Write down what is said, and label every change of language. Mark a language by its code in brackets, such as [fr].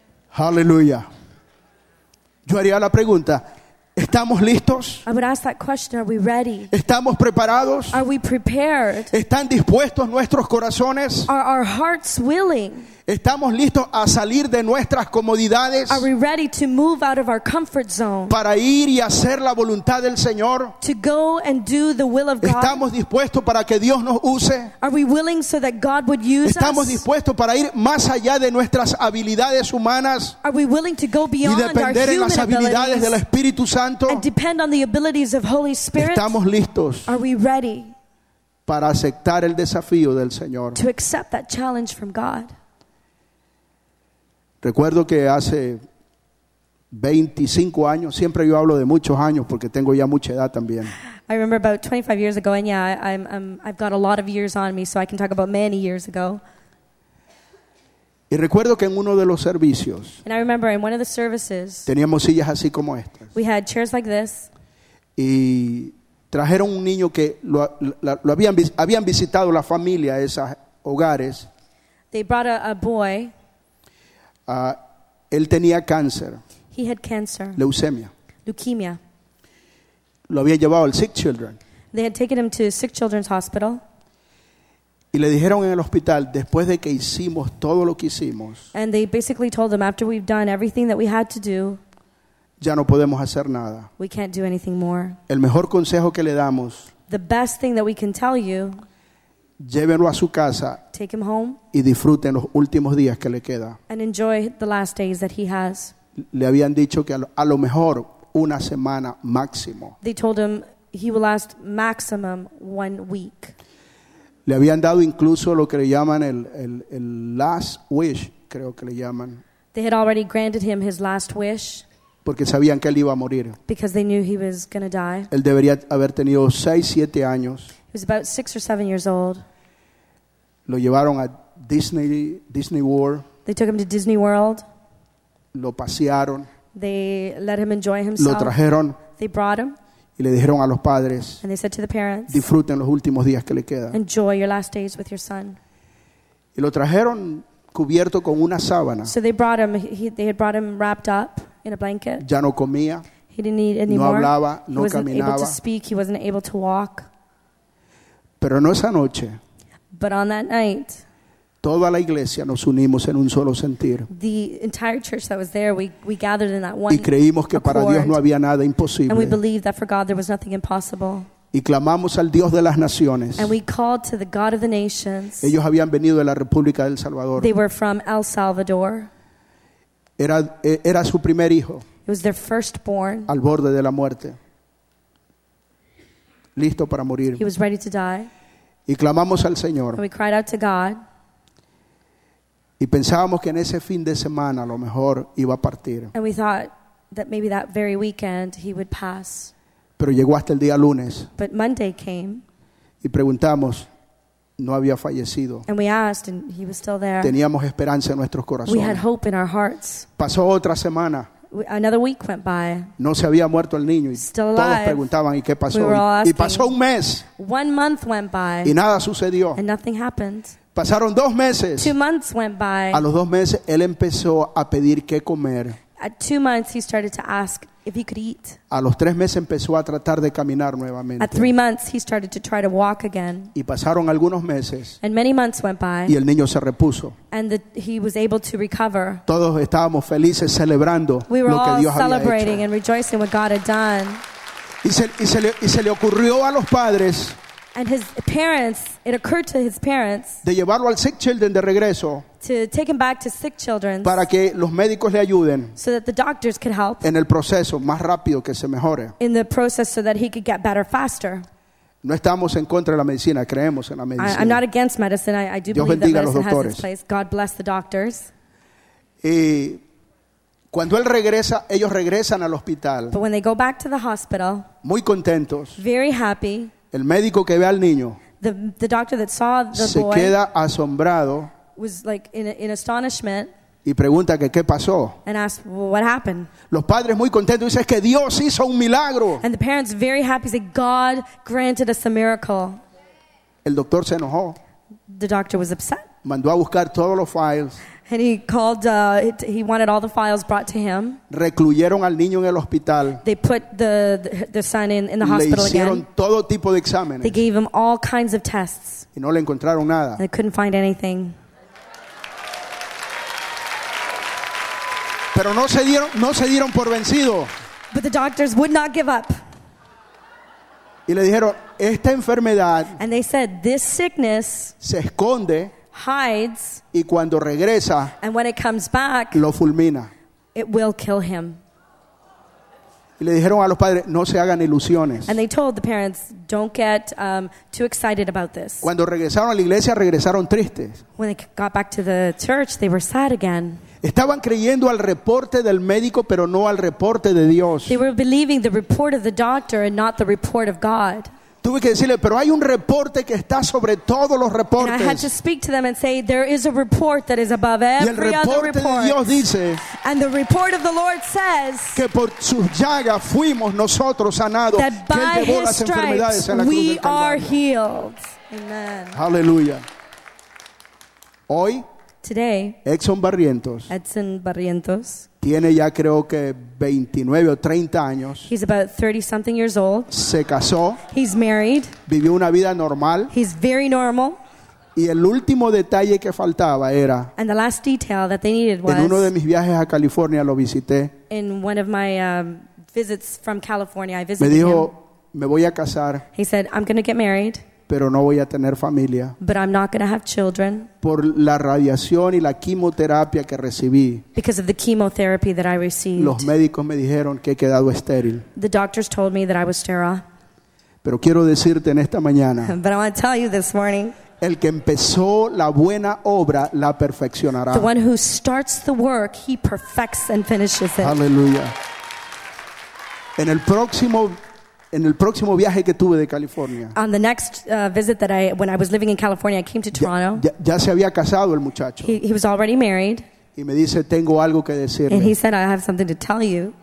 [es] Hallelujah. Yo haría la pregunta, ¿estamos listos? [en] I would ask that question, are we ready? [es] ¿Estamos preparados? [en] Are we prepared? [es] ¿Están dispuestos nuestros corazones? [en] Are our hearts willing? [es] ¿Estamos listos a salir de nuestras comodidades? [en] Are we ready to move out of our comfort zone? [es] ¿Para ir y hacer la voluntad del Señor? [en] To go and do the will of God? [es] ¿Estamos dispuestos para que Dios nos use? [en] Are we willing so that God would use us? [es] ¿Estamos dispuestos para ir más allá de nuestras habilidades humanas? [en] Are we willing to go beyond [es] y depender en las habilidades del Espíritu Santo? [en] And depend on the abilities of Holy Spirit? [es] ¿Estamos listos? [en] Are we ready? [es] Para aceptar el desafío del Señor. [en] To accept that challenge from God. [es] Recuerdo que hace 25 años, siempre yo hablo de muchos años porque tengo ya mucha edad también. [en] I remember about 25 years ago, and yeah, I've got a lot of years on me, so I can talk about many years ago. [es] Y recuerdo que en uno de los servicios, [en] and I remember in one of the services, [es] teníamos sillas así como estas. [en] We had chairs like this. [es] Y trajeron un niño que lo habían visitado la familia esos hogares. [en] They brought a boy. [es] Él tenía cáncer. [en] He had cancer. [es] Leucemia. [en] Leukemia. [es] Lo había llevado al Sick Children. [en] They had taken him to Sick Children's Hospital. [es] Y le dijeron en el hospital, después de que hicimos todo lo que hicimos, [en] and they basically told them, after we've done everything that we had to do, [es] ya no podemos hacer nada. [en] We can't do anything more. [es] El mejor consejo que le damos, [en] the best thing that we can tell you, [es] llévenlo a su casa, [en] take him home, [es] y disfruten los últimos días que le queda, [en] and enjoy the last days that he has. [es] Le habían dicho que a lo mejor una semana máximo. [en] They told him he will last maximum 1 week. [es] Le habían dado incluso lo que le llaman el [en] last wish, [es] creo que le llaman. [en] They had already granted him his last wish. [es] Porque sabían que él iba a morir. [en] Because they knew he was going to die. [es] Él debería haber tenido 6-7 años. [en] He was about 6 or 7 years old. [es] Lo llevaron a Disney World. [en] They took him to Disney World. [es] Lo pasearon. [en] They let him enjoy himself. [es] Lo trajeron. [en] They brought him. [es] Y le dijeron a los padres, [en] and they said to the parents, [es] disfruten los últimos días que le queda. [en] Enjoy your last days with your son. [es] Y lo trajeron cubierto con una sábana. [en] So they brought him, they had brought him wrapped up in a blanket. [es] Ya no comía. [en] He didn't eat anymore. [es] No hablaba, no caminaba. [en] He wasn't able to speak, he wasn't able to walk. [es] Pero no esa noche. [en] But on that night, [es] toda la iglesia nos unimos en un solo sentir. [en] The entire church that was there, we gathered in that one. [es] Y creímos que [en] accord, [es] para Dios no había nada imposible. [en] And we believed that for God there was nothing impossible. [es] Y clamamos al Dios de las naciones. [en] And we called to the God of the nations. [es] Ellos habían venido de la República del Salvador. [en] They were from El Salvador. [es] Era su primer hijo. [en] It was their firstborn. [es] Al borde de la muerte. Listo para morir. [en] He was ready to die. [es] Y clamamos al Señor. [en] And we cried out to God. [es] Y pensábamos que en ese fin de semana a lo mejor iba a partir. [en] And we thought that maybe that very weekend he would pass. [es] Pero llegó hasta el día lunes. [en] But Monday came. [es] Y preguntamos, no había fallecido. [en] And we asked and he was still there. [es] Teníamos esperanza en nuestros corazones. [en] We had hope in our hearts. [es] Pasó otra semana. [en] Another week went by. [es] No se había muerto el niño. [en] Still alive. [es] Todos preguntaban, ¿y qué pasó? [en] We were all asking. [es] Y pasó un mes. [en] 1 month went by. [es] Y nada sucedió. [en] And nothing happened. [es] Pasaron 2 meses. [en] 2 months went by. [es] A los 2 meses, él empezó a pedir qué comer. [en] At 2 months, he started to ask if he could eat. [es] A los 3 meses, empezó a tratar de caminar nuevamente. [en] At 3 months, he started to try to walk again. [es] Y pasaron algunos meses. [en] And many months went by. [es] Y el niño se repuso. [en] And he was able to recover. [es] Todos estábamos felices celebrando lo que Dios había hecho. [en] We were all celebrating and rejoicing what God had done. [es] Y se le ocurrió a los padres. [en] And his parents, it occurred to his parents, [es] de llevarlo al Sick Children de regreso, [en] to take him back to Sick Children, [es] para que los médicos le ayuden, [en] so that the doctors could help, [es] en el proceso más rápido que se mejore, [en] in the process so that he could get better faster. [es] No estamos en contra de la medicina, creemos en la medicina. [en] I'm not against medicine. I do [es] Dios [en] believe that medicine [es] doctores. [en] Has its place. God bless the doctors. [es] Y cuando él regresa, ellos regresan al hospital, [en] but when they go back to the hospital, [es] muy contentos, [en] very happy. [es] El médico que ve al niño, [en] the doctor that saw the [es] se [en] boy [es] queda asombrado, [en] was like in astonishment, [es] y pregunta que qué pasó. [en] And asked, well, what happened? [es] Los padres muy contentos dicen que Dios hizo un milagro. [en] And the parents very happy say God granted us a miracle. [es] El doctor se enojó. [en] The doctor was upset. [es] Mandó a buscar todos los files. [en] And he called. He wanted all the files brought to him. [es] Recluyeron al niño en el hospital. [en] They put the son in the hospital again. [es] Le hicieron [en] again. [es] Todo tipo de exámenes. [en] They gave him all kinds of tests. [es] Y no le encontraron nada. [en] And they couldn't find anything. [es] Pero no se dieron por vencido. [en] But the doctors would not give up. [es] Y le dijeron esta enfermedad. [en] And they said this sickness [es] se esconde. [en] Hides, [es] y cuando regresa, [en] and when it comes back, [es] lo fulmina. [en] It will kill him. [es] Y le dijeron a los padres, no se hagan ilusiones. [en] And they told the parents, don't get too excited about this. [es] Cuando regresaron a la iglesia, regresaron tristes. [en] When they got back to the church, they were sad again. [es] Estaban creyendo al reporte del médico, pero no al reporte de Dios. [en] They were believing the report of the doctor and not the report of God. [es] Tuve que decirle, pero hay un reporte que está sobre todos los reportes. [en] And I had to speak to them and say, there is a report that is above every other report. [es] Y el reporte de Dios dice, [en] and the report of the Lord says, [es] que por sus llagas fuimos nosotros sanados, [en] that by [es] que él llevó las enfermedades en la [en] we [es] cruz [en] are healed. Amen. [es] Hallelujah. Hoy, [en] today, Edson Barrientos, [es] tiene ya creo que 29 o 30 años. [en] He's about 30 something years old. [es] Se casó. [en] He's married. [es] Vivió una vida normal. [en] He's very normal. [es] Y el último detalle que faltaba era, [en] and the last detail that they needed was, [es] en uno de mis viajes a California lo visité. [en] In one of my visits from California, I visited [es] me dijo, [en] him. [es] Me voy a casar. [en] He said, I'm going to get married. [es] Pero no voy a tener familia. [en] But I'm not going to have children. [es] Por la radiación y la quimioterapia que recibí. [en] Because of the chemotherapy that I received. [es] Los médicos me dijeron que he quedado estéril. [en] The doctors told me that I was sterile. [es] Pero quiero decirte en esta mañana. [en] But I want to tell you this morning. [es] El que empezó la buena obra la perfeccionará. [en] The one who starts the work, he perfects and finishes it. Hallelujah. [es] En el próximo viaje que tuve de California. [en] On the next visit that I, when I was living in California, I came to Toronto. [es] Ya se había casado el muchacho. [en] He was already married. [es] Y me dice, tengo algo que decirle. [en] And he said, I have something to tell you.